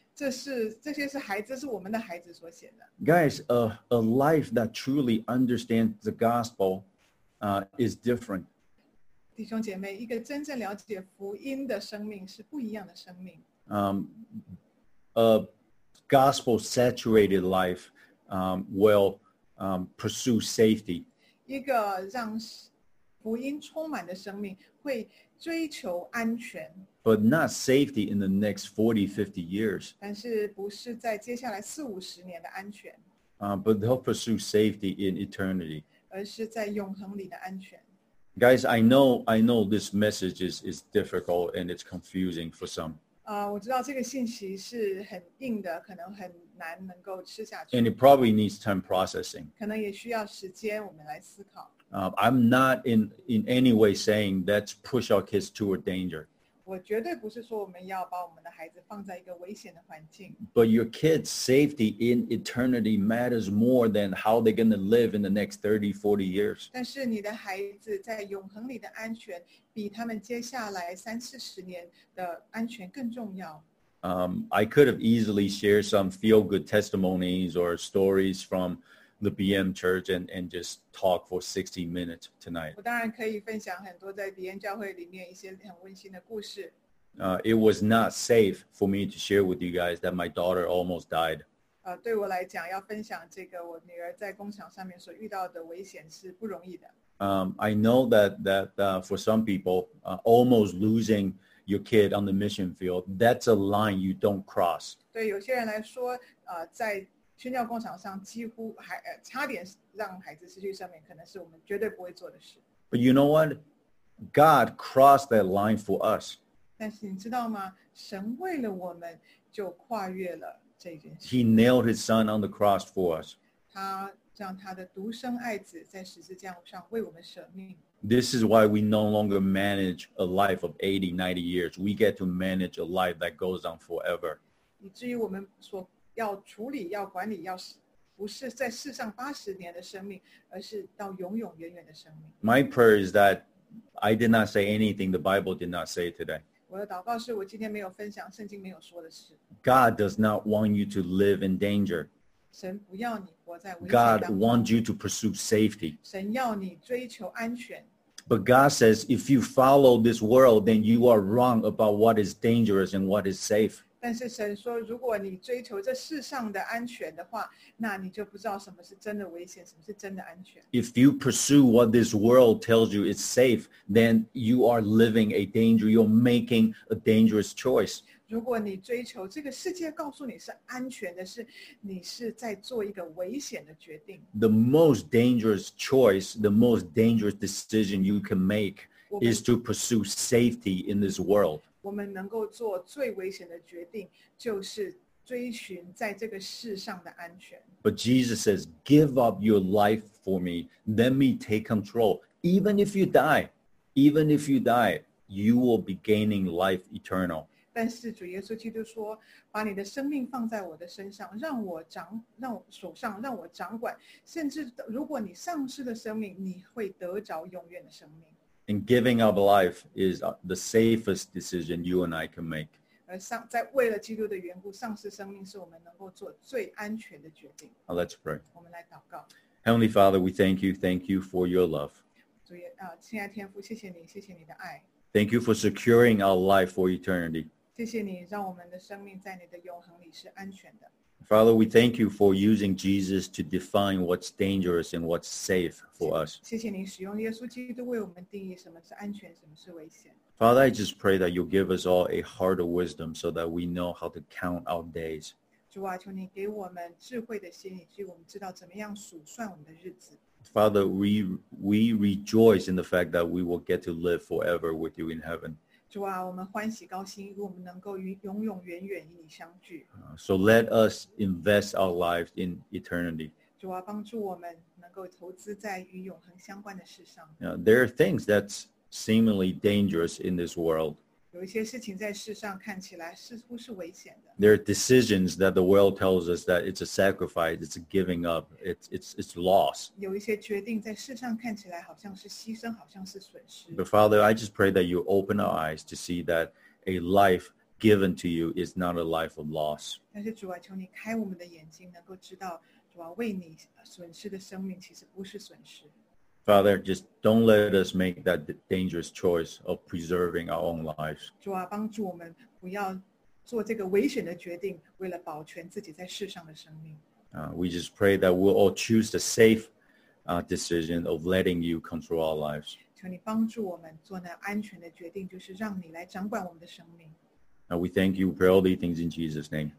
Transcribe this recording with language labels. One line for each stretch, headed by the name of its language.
Chinese: 这些是孩子，是我们的孩子所写的。
English: Guys, a life that truly understands the gospel, is different.
Chinese: 弟兄姐妹，一个真正了解福音的生命是不一样的生命。
English: A gospel saturated life. Will pursue safety.
Chinese: 一个让福音充满的生命会追求安全。
English: But not safety in the next 40, 50 years.
Chinese: 但是不是在接下来四五十年的安全。
English: But they'll pursue safety in eternity.
Chinese: 而是在永恒里的安全。
English: Guys, I know this message is difficult and it's confusing for some.
Chinese: 我知道这个信息是很硬的，可能很难能够吃下去。
English: And it probably needs time processing.
Chinese: 可能也需要时间我们来思考。
English: I'm not in any way saying let's push our kids toward danger.
Chinese: 我绝对不是说我们要把我们的孩子放在一个危险的环境。
English: But your kids' safety in eternity matters more than how they're going to live in the next 30, 40 years.
Chinese: 但是你的孩子在永恒里的安全比他们接下来三四十年的安全更重要。
English: I could have easily shared some feel-good testimonies or stories from the BM church and just talk for 60 minutes tonight.
Chinese: 我当然可以分享很多在 BM 教会里面一些很温馨的故事。
English: It was not safe for me to share with you guys that my daughter almost died.
Chinese: 对我来讲，要分享这个我女儿在工厂上面所遇到的危险是不容易的。
English: I know that for some people, almost losing your kid on the mission field, that's a line you don't cross.
Chinese: 对有些人来说，在宣教工厂上几乎还差点让孩子失去生命，可能是我们绝对不会做的事。
English: But you know what? God crossed that line for us.
Chinese: 但是你知道吗？神为了我们就跨越了这件事。
English: He nailed His Son on the cross for us.
Chinese: 他让他的独生爱子在十字架上为我们舍命。
English: This is why we no longer manage a life of 80, 90 years. We get to manage a life that goes on forever.
Chinese: 以至于我们所要处理、要管理、要不是在世上八十年的生命，而是到永永远远的生命。
English: My prayer is that I did not say anything the Bible did not say today.
Chinese: 我的祷告是我今天没有分享圣经没有说的事。
English: God does not want you to live in danger.
Chinese: 神不要你活在危险。
English: God wants you to pursue safety.
Chinese: 神要你追求安全。
English: But God says, if you follow this world, then you are wrong about what is dangerous and what is safe.
Chinese: 但是神说，如果你追求这世上的安全的话，那你就不知道什么是真的危险，什么是真的安全。
English: If you pursue what this world tells you is safe, then you are living a danger. You're making a dangerous choice.
Chinese: 如果你追求这个世界告诉你是安全的事，你是在做一个危险的决定。
English: The most dangerous choice, the most dangerous decision you can make is to pursue safety in this world.
Chinese: 我们能够做最危险的决定，就是追寻在这个世上的安全。
English: But Jesus says, give up your life for me, let me take control. Even if you die, even if you die, you will be gaining life eternal.
Chinese: 但是主耶稣基督说，把你的生命放在我的身上，让我掌，让我手上，让我掌管。甚至如果你丧失了生命，你会得着永远的生命。
English: And giving up life is the safest decision you and I can make.
Chinese: 在为了基督的缘故，丧失生命是我们能够做最安全的决定。
English: Now、let's pray.
Chinese: 我们来祷告。
English: Heavenly Father, we thank you for your love.
Chinese: 主耶，亲爱天父，谢谢你，谢谢你的爱。
English: Thank you for securing our life for eternity.
Chinese: 谢谢你让我们的生命在你的永恒里是安全的。
English: Father, we thank you for using Jesus to define what's dangerous and what's safe for us.
Chinese: 谢谢你使用耶稣基督为我们定义什么是安全，什么是危险。
English: Father, I just pray that you'll give us all a heart of wisdom so that we know how to count our days.
Chinese: 主啊，求你给我们智慧的心，以至于我们知道怎么样数算我们的日子。
English: Father, we rejoice in the fact that we will get to live forever with you in heaven.
Chinese: 主啊，我们欢喜高兴，因为我们能够永永远远与你相聚。
English: So let us invest our lives in eternity.
Chinese: 主啊，帮助我们能够投资在与永恒相关的事上。
English: Now, there are things that's seemingly dangerous in this world.
Chinese: 有一些事情在世上看起来似乎是危险的。
English: There are decisions that the world tells us that it's a sacrifice, it's a giving up, it's loss.
Chinese: 有一些决定在世上看起来好像是牺牲，好像是损失。
English: But Father, I just pray that you open our eyes to see that a life given to you is not a life of loss.
Chinese: 但是主啊，求你开我们的眼睛，能够知道主啊，为你损失的生命其实不是损失。
English: Father, just don't let us make that dangerous choice of preserving our own lives.
Chinese: 主啊，帮助我们不要做这个危险的决定，为了保全自己在世上的生命。
English: We just pray that we'll all choose the safe, decision of letting you control our lives.
Chinese: 求你帮助我们做那安全的决定，就是让你来掌管我们的生命。
English: Now we thank you, pray all these things in Jesus' name.